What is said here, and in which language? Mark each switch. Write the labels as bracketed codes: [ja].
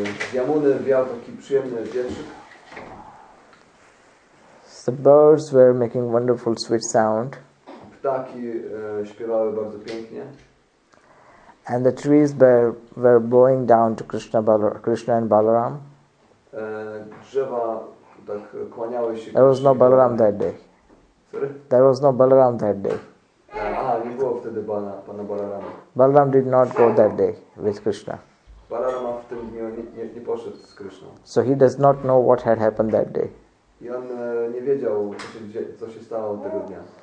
[pl] Z Yamuny wiał taki przyjemny wietrzyk. [en] The birds were making wonderful sweet sound. [pl] Ptaki śpiewały bardzo pięknie. [en] And the trees were blowing down to Krishna and Balaram. [pl] Drzewa tak kłaniały się. [en] There was no Balaram that day. Sorry? There was no Balaram that day. [pl] Nie było wtedy pana Balarama. [en] Balaram did not go that day with Krishna. [pl] Balarama w tym dniu nie poszedł z Krishna. [en] So he does not know what had happened that day. [pl] I on nie wiedział, co się stało tego dnia.